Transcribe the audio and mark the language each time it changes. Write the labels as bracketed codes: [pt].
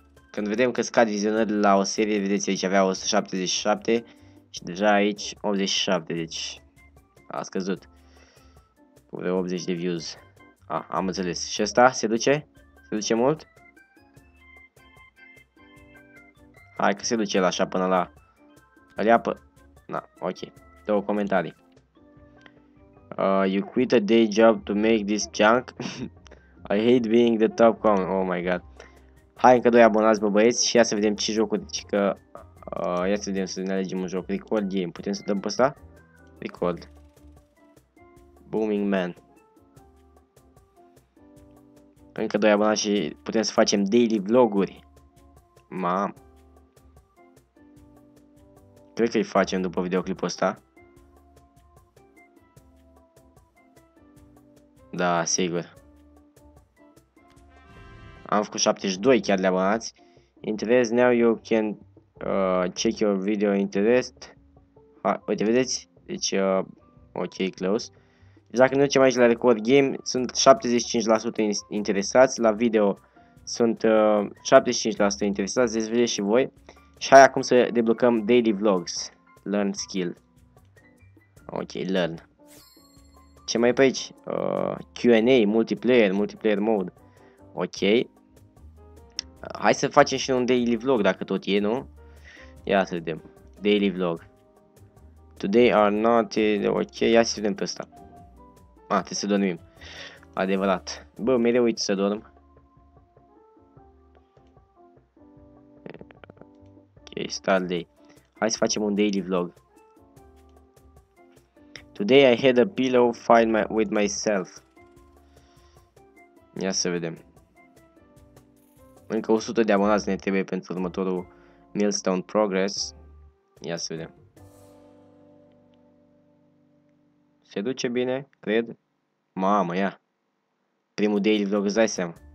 [ro] Când vedem că scad vizionări la o serie, vedeți aici avea 177 și deja aici 87, deci a scăzut. Cu vreo 80 de views. Ah, am înțeles. Și ăsta se duce? Se duce mult? Hai că se duce la așa până la... Îl ia pe... Na, ok. Două comentarii. [en] You quit a day job to make this junk? I hate being the top comment. Oh my god. [ro] Hai încă doi abonați, bă băieți, și ia să vedem ce jocuri, deci că... ia să vedem să ne alegem un joc. Record game. Putem să dăm pe ăsta? Record. Booming Man. Încă doi abonați și putem să facem daily vloguri. Mam. Cred că îi facem după videoclipul ăsta. Da, sigur. Am făcut 72 chiar de abonați. [en] Interest now you can check your video interest. [ro] Uite, vedeți? Deci, ok, close. Deci dacă ne ducem aici la record game, sunt 75% interesați. La video sunt 75% interesați. Deci vedeți și voi. Și hai acum să deblocăm daily vlogs. [en] Learn skill. Ok, learn. [ro] Ce mai e pe aici? [en] Q&A, multiplayer, multiplayer mode. Ok. [ro] Hai să facem și un daily vlog, dacă tot e, nu? Ia să vedem. [en] Daily vlog. Today are not... [ro] Ok, ia să vedem pe ăsta. Ah, trebuie să dormim. Adevărat. Bă, mereu uit să dorm. [en] Ok, start day. [ro] Hai să facem un daily vlog. [en] Today I had a pillow fight with myself. [ro] Ia să vedem. Încă 100 de abonați ne trebuie pentru următorul milestone progress. Ia să vedem. Se duce bine, cred. Mamă, ia. Primul daily vlog, îți dai seama.